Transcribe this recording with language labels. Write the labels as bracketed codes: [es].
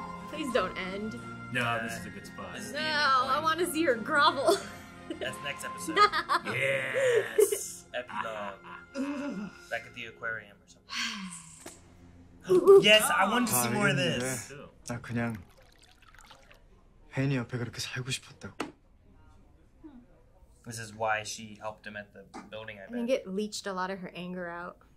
[en] Please don't end. No, this is a good spot. No, I want to see her grovel. That's next episode. Yes. Epilogue. Back at the aquarium or something. Yes, I wanted to see more of this. [ko] 나 그냥 혜인이 옆에 그렇게 살고 싶었다고. [en] This is why she helped him at the building, I bet. I think it leached a lot of her anger out.